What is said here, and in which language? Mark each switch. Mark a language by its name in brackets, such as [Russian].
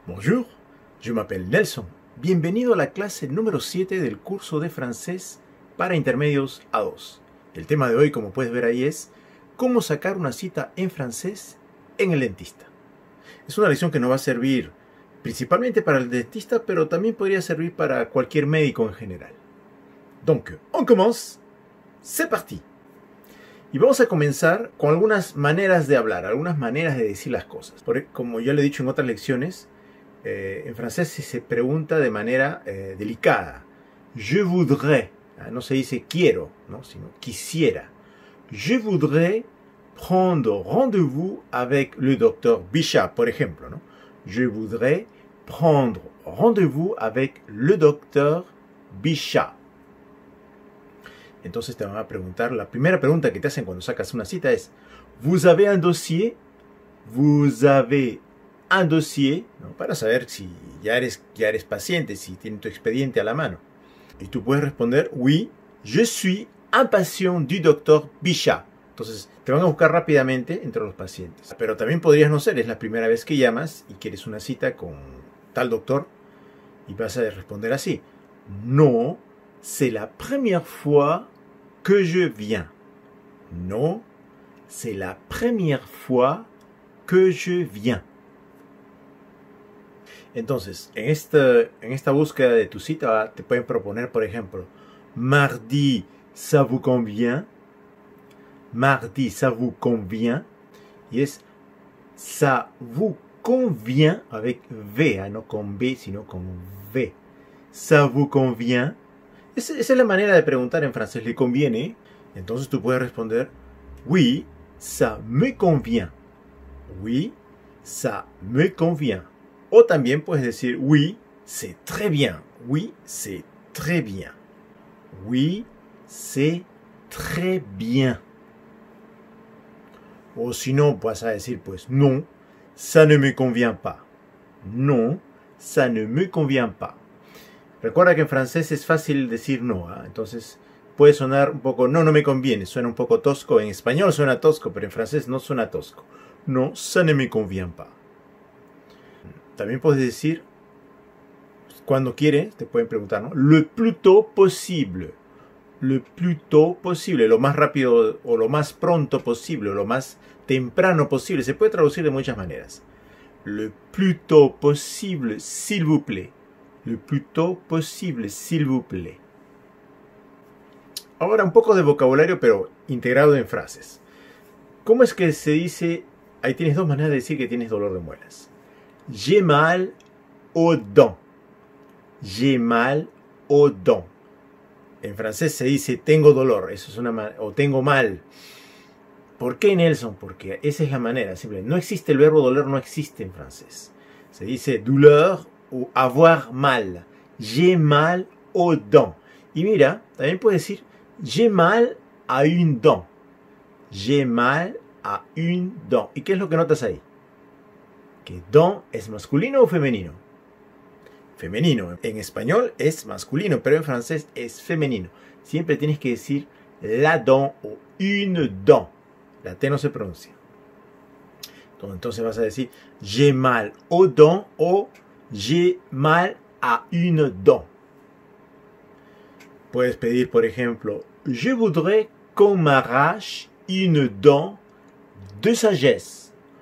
[French] Bonjour, je m'appelle Nelson. [Spanish] Bienvenido a la clase número 7 del curso de francés para intermedios A2. El tema de hoy, como puedes ver ahí, es cómo sacar una cita en francés en el dentista. Es una lección que nos va a servir principalmente para el dentista, pero también podría servir para cualquier médico en general. [French] Donc, on commence, c'est parti. [Spanish] Y vamos a comenzar con algunas maneras de hablar, algunas maneras de decir las cosas. Porque, como ya le he dicho en otras lecciones, en francés se pregunta de manera delicada. [French] Je voudrais. [Spanish] No se dice quiero, ¿no?, sino quisiera. [French] Je voudrais prendre rendez-vous avec le docteur Bichat, por ejemplo, ¿no? Je voudrais prendre rendez-vous avec le docteur Bichat. [Spanish] Entonces te van a preguntar, la primera pregunta que te hacen cuando sacas una cita es: [French] ¿Vous avez un dossier? ¿Vous avez un dossier? [Spanish] ¿No? Para saber si ya eres paciente, si tienes tu expediente a la mano. Y tú puedes responder: [French] Oui, je suis un patient du docteur Bichat. [Spanish] Entonces te van a buscar rápidamente entre los pacientes. Pero también podrías no ser, es la primera vez que llamas y quieres una cita con tal doctor y vas a responder así: No. [French] C'est la première fois que je viens. No, c'est la première fois que je viens. [Spanish] Entonces, en esta búsqueda de tu cita, te pueden proponer, por ejemplo, [French] mardi, ça vous convient? Mardi, ça vous convient? [Spanish] Y es, [French] ça vous convient, avec V, [Spanish] no con B, sino con V. [French] Ça vous convient? [Spanish] Esa es la manera de preguntar en francés, ¿le conviene? Entonces tú puedes responder: [French] Oui, ça me convient. Oui, ça me convient. [Spanish] O también puedes decir: [French] Oui, c'est très bien. Oui, c'est très bien. Oui, c'est très bien. [Spanish] O si no, vas a decir: Pues [French] non, ça ne me convient pas. Non, ça ne me convient pas. [Spanish] Recuerda que en francés es fácil decir no, ¿eh? Entonces puede sonar un poco, no, no me conviene, suena un poco tosco. En español suena tosco, pero en francés no suena tosco. [French] No, ça ne me convient pas. [Spanish] También puedes decir, cuando quieres, te pueden preguntar, ¿no? [French] Le plus tôt possible. [Spanish] Le plus tôt possible, lo más rápido o lo más pronto posible, o lo más temprano posible. Se puede traducir de muchas maneras. [French] Le plus tôt possible, s'il vous plaît. Le plus tôt possible, s'il vous plaît. [Spanish] Ahora, un poco de vocabulario, pero integrado en frases. ¿Cómo es que se dice? Ahí tienes dos maneras de decir que tienes dolor de muelas. [French] J'ai mal aux dents. J'ai mal aux dents. [Spanish] En francés se dice tengo dolor. Eso es una manera. O tengo mal. ¿Por qué, Nelson? Porque esa es la manera. Simple. No existe el verbo doler, no existe en francés. Se dice douleur. O avoir mal. [French] J'ai mal aux dents. [Spanish] Y mira, también puede decir [French] j'ai mal à une dent. J'ai mal à une dent. [Spanish] ¿Y qué es lo que notas ahí? Que dent es masculino o femenino. Femenino. En español es masculino, pero en francés es femenino. Siempre tienes que decir la dent o une dent. La T no se pronuncia. Entonces vas a decir [French] j'ai mal aux dents [Spanish] o [French] J'ai mal à une dent. [Spanish] Puedes pedir, por ejemplo, [French] Je voudrais qu'on m'arrache une dent de sagesse.